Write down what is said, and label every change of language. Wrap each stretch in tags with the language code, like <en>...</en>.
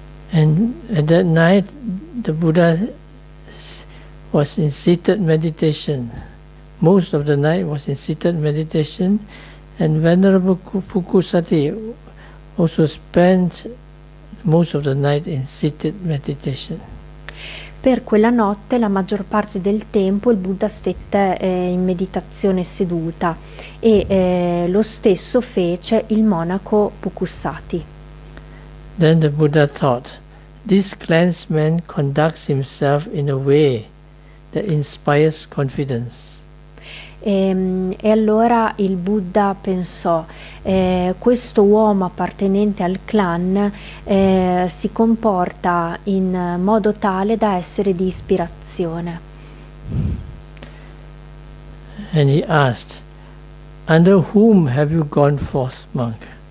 <en>And at that night the Buddha was in seated meditation. Most of the night was in seated meditation, and Venerable Pukusati also spent most of the night in seated meditation.</en> <it>Per quella notte, la maggior parte del tempo, il Buddha stette in meditazione seduta, e lo stesso fece il monaco Pukusati.</it> <en>Then the Buddha thought, this clansman conducts himself in a way that inspires confidence.</en> <it>E allora il Buddha pensò, questo uomo appartenente al clan si comporta in modo tale da essere di ispirazione.</it> <en>And he asked, under whom have you gone forth, monk?</en>